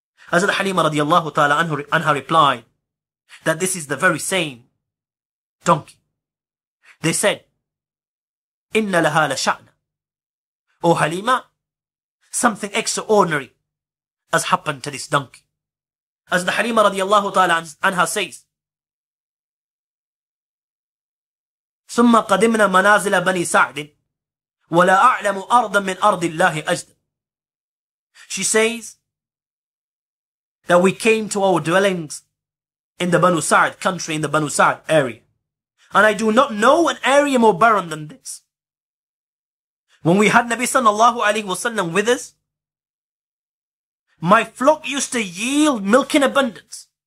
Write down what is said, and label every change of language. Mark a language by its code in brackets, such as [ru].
[en] Hazrat Halima radiallahu ta'ala anha replied that this is the very same donkey. They said, [ar] إِنَّ لَهَا لَشَعْنَا, [en] O Halima, something extraordinary has happened to this donkey. As the Halima radiallahu ta'ala anha says, [ar] ثم قدمنا منازل بني سعد ولا أعلم أرضا من أرض الله أجد. [en] She says that we came to our dwellings in the Banu Sa'd country, in the Banu Sa'd area, and I do not know an area more barren than this. When we had Nabi sallallahu alayhi wa sallam with us, my flock used to yield milk in abundance.